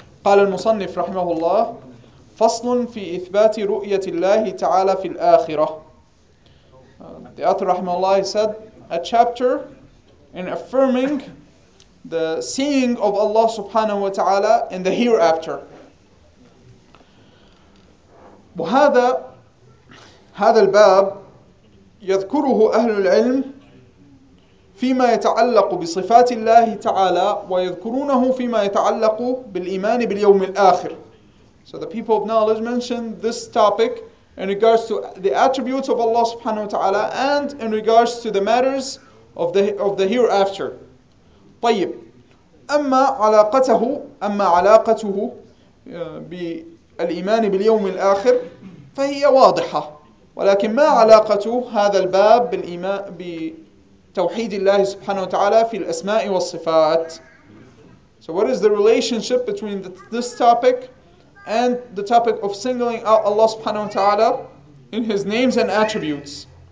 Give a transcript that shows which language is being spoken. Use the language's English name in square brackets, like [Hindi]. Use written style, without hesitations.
[Arabic] قال المصنف رحمه الله فصل في إثبات رؤية الله تعالى في الآخرة. [English] The author [Arabic] رحمه الله [English] said a chapter in affirming the seeing of Allah subhanahu wa ta'ala in the hereafter. [Arabic] وهذا الباب يذكره أهل العلم فيما يتعلق بصفات الله تعالى ويذكرونه فيما يتعلق بالإيمان باليوم الآخر. [English] So the people of knowledge mentioned this topic in regards to the attributes of Allah subhanahu wa ta'ala and in regards to the matters of the hereafter. [Arabic] طيب أما علاقته بالإيمان باليوم الآخر فهي واضحة ولكن ما علاقة هذا الباب بالإيمان بتوحيد الله سبحانه وتعالى في الأسماء والصفات. [English] So what is the relationship between this topic and the topic of singling out Allah [Arabic] سبحانه وتعالى [English] in His names and attributes?